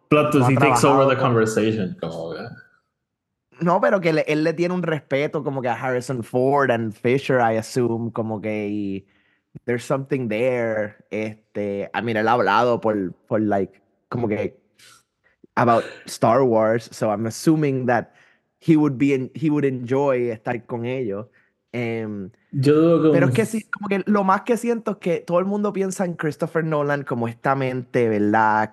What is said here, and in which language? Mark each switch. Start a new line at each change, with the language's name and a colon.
English: But does he takes over the conversation,
Spanish: como que... No, pero que él le tiene un respeto como que a Harrison Ford
English: and Fisher, I assume,
Spanish: como que...
English: Y there's something there. I mean,
Spanish: él ha hablado por like, como que...
English: about Star Wars, so I'm assuming that he would enjoy
Spanish: estar con ellos. Pero es que sí, como que lo más que siento es que todo el mundo piensa en Christopher Nolan como esta mente, ¿verdad?